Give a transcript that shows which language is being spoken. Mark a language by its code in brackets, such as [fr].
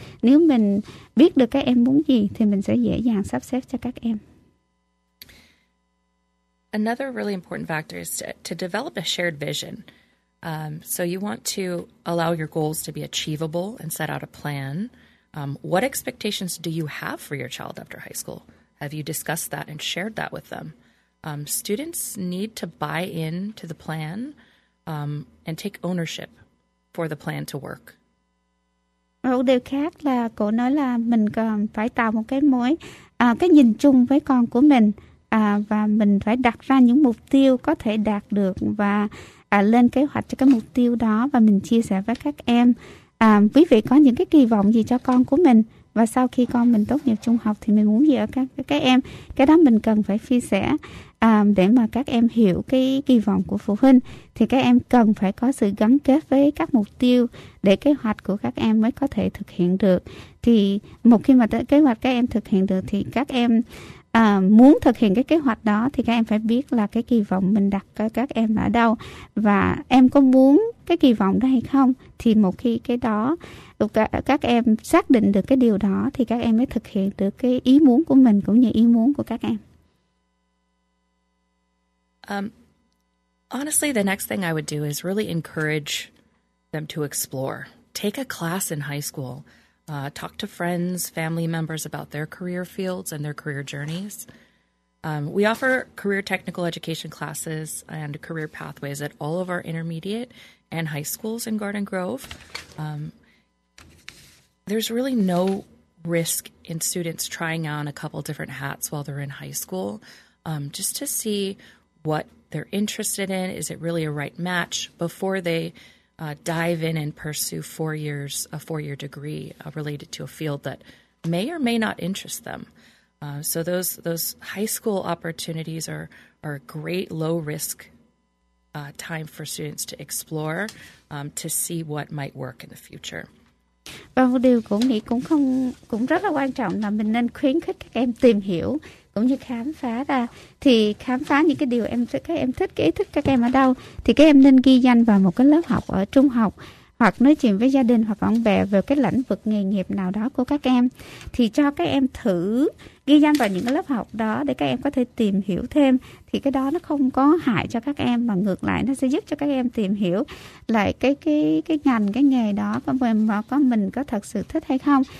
[vi] Nếu mình biết được các em muốn gì thì mình sẽ dễ dàng sắp xếp cho các em. [en] Another really important factor is to develop a shared vision. So you want to allow your goals to be achievable and set out a plan. What expectations do you have for your child after high school? Have you discussed that and shared that with them? Students need to buy in to the plan and take ownership for the plan to work. [vi] Một điều khác là cô nói là mình cần phải tạo một cái mối cái nhìn chung với con của mình, và mình phải đặt ra những mục tiêu có thể đạt được và lên kế hoạch cho cái mục tiêu đó, và mình chia sẻ với các em quý vị có những cái kỳ vọng gì cho con của mình. Và sau khi con mình tốt nghiệp trung học thì mình muốn gì ở các em? Cái đó mình cần phải chia sẻ để mà các em hiểu cái kỳ vọng của phụ huynh. Thì các em cần phải có sự gắn kết với các mục tiêu để kế hoạch của các em mới có thể thực hiện được. Thì một khi mà kế hoạch các em thực hiện được thì các em muốn thực hiện cái kế hoạch đó thì các em phải biết là cái kỳ vọng mình đặt cho các em ở đâu. Và em có muốn cái kỳ vọng đó hay không? Thì một khi cái đó các em xác định được cái điều đó thì các em mới thực hiện được cái ý muốn của mình cũng như ý muốn của các em. [en] Honestly, the next thing I would do is really encourage them to explore. Take a class in high school. Talk to friends, family members about their career fields and their career journeys. We offer career technical education classes and career pathways at all of our intermediate and high schools in Garden Grove. There's really no risk in students trying on a couple different hats while they're in high school, just to see what they're interested in. Is it really a right match before they dive in and pursue a four-year degree related to a field that may or may not interest them? So those high school opportunities are a great low-risk time for students to explore to see what might work in the future. [vi] Và một điều cũng nghĩ cũng rất là quan trọng là mình nên khuyến khích các em tìm hiểu cũng như khám phá ra, thì khám phá những cái điều em thích, các em thích, cái ý thích các em ở đâu, thì các em nên ghi danh vào một cái lớp học ở trung học hoặc nói chuyện với gia đình hoặc bạn bè về cái lĩnh vực nghề nghiệp nào đó của các em, thì cho các em thử ghi danh vào những lớp học đó để các em có thể tìm hiểu thêm, thì cái đó nó không có hại cho các em, mà ngược lại nó sẽ giúp cho các em tìm hiểu lại cái ngành, cái nghề đó có mình có thật sự thích hay không.